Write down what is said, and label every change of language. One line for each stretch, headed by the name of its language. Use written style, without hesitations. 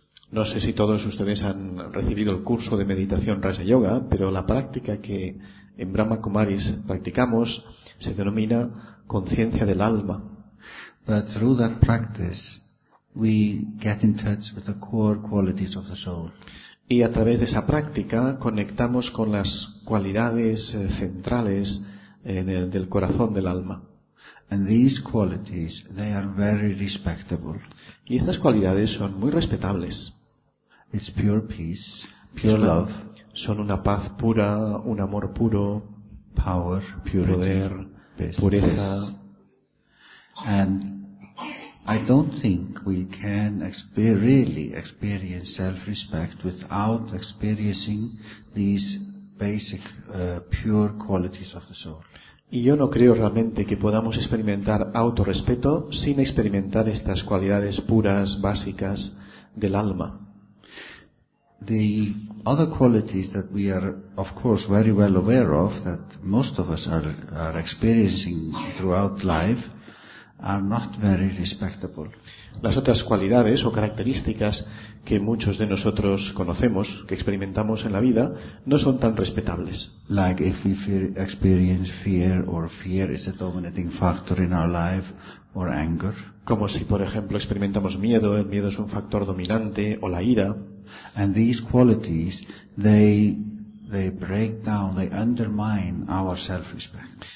Spanish: No sé si todos ustedes han recibido el curso de meditación Raja Yoga, pero la práctica que en Brahma Kumaris practicamos se denomina conciencia del alma.
English: But through that practice we get in touch with the core qualities of the soul.
Spanish: Y a través de esa práctica conectamos con las cualidades centrales del corazón del alma.
English: And these qualities, they are very respectable.
Spanish: Y estas cualidades son muy respetables.
English: It's pure peace, pure love.
Spanish: Son una paz pura, un amor puro.
English: Power, purity,
Spanish: poder,
English: peace,
Spanish: pureza.
English: And I don't think we can really experience self-respect without experiencing these basic pure qualities of the soul.
Spanish: Y yo no creo realmente que podamos experimentar autorrespeto sin experimentar estas cualidades puras básicas del alma.
English: The other qualities that we are of course very well aware of, that most of us are experiencing throughout life, are not very respectable.
Spanish: Las otras cualidades o características que muchos de nosotros conocemos, que experimentamos en la vida, no son tan respetables.
English: Like if we experience fear, or fear is a dominating factor in our life, or anger.
Spanish: Como si, por ejemplo, experimentamos miedo, el miedo es un factor dominante, o la ira.
English: And these qualities, they break down, they undermine our self-respect.